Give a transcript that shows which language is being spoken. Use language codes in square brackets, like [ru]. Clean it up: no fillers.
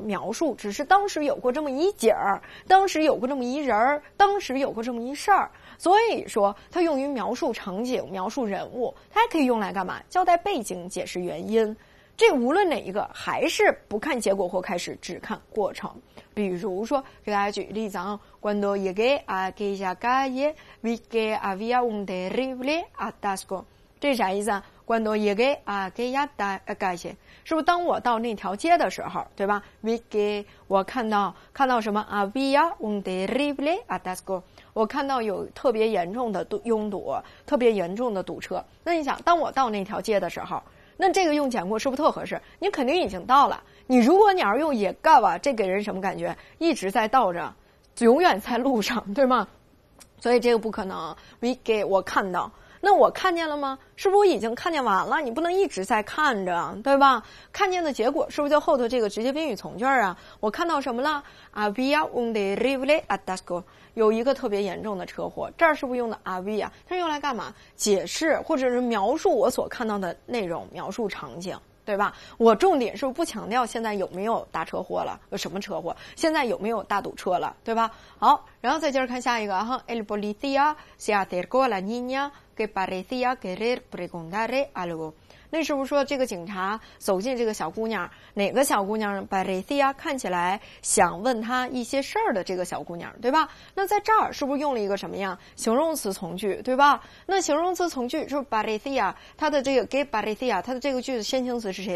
[zh] 描述，只是当时有过这么一景儿，当时有过这么一人儿，当时有过这么一事儿。所以说，它用于描述场景、描述人物，它还可以用来干嘛？交代背景、解释原因。这无论哪一个，还是不看结果或开始，只看过程。比如说，给大家举例子啊 [es] ，cuando llegué a aquella calle vi que había un terrible atasco， [zh] 这是啥意思啊？ [es] Cuando llegué a aquella calle， [zh] 是不是当我到那条街的时候，对吧 ？ [es] Vi que [zh] 我看到什么 ？ [es] Había un terrible atasco， [zh] 我看到有特别严重的拥堵，特别严重的堵车。那你想，当我到那条街的时候，那这个用讲过是不是特合适？你肯定已经到了。你如果你要是用也干吧，这给人什么感觉？一直在到着，永远在路上，对吗？所以这个不可能。 [es] Vi que [zh] 我看到。那我看见了吗？是不是我已经看见完了？你不能一直在看着，对吧？看见的结果是不是就后头这个直接宾语从句啊？我看到什么了 ？ [es] Había un terrible atasco， [zh] 有一个特别严重的车祸。这儿是不是用的 había？ 它是用来干嘛？解释或者是描述我所看到的内容，描述场景，对吧？我重点是不是不强调现在有没有大车祸了？有什么车祸？现在有没有大堵车了？对吧？好，然后再接着看下一个啊 [es] ，El policía se acercó a la niña。 Que parecía querer preguntarle algo. [zh] 那是不是说这个警察走进这个小姑娘，哪个小姑娘 parecía 看起来想问她一些事儿的这个小姑娘，对吧？那在这儿是不是用了一个什么样形容词从句，对吧？那形容词从句就是 parecía， 它的这个给 parecía， 它的这个句子先行词是谁？